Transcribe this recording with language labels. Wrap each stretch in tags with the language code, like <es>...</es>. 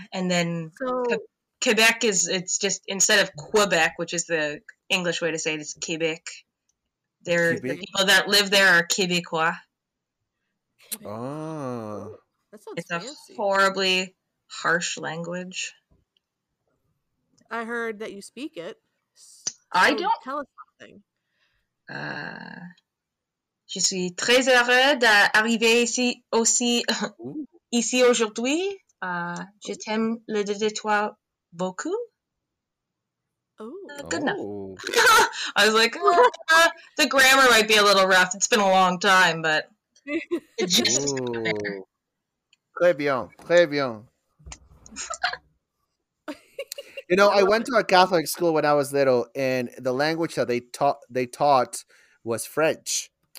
<en>And then Quebec is just, instead of Quebec, which is the English way to say it, it's Quebec. The people that live there are Québécois. Oh. It's fancy. A horribly harsh language. I heard that you speak it. I don't. Tell us something.</en> <fr>Je suis très heureux d'arriver ici aussi ici aujourd'hui. Je t'aime le de toi beaucoup.</fr> <en>Good enough. I was like, the grammar might be a little rough. It's been a long time, but it just</en> <fr>très bien, très bien.</fr> <en>You know, I went to a Catholic school when I was little, and the language that they taught was French.</en>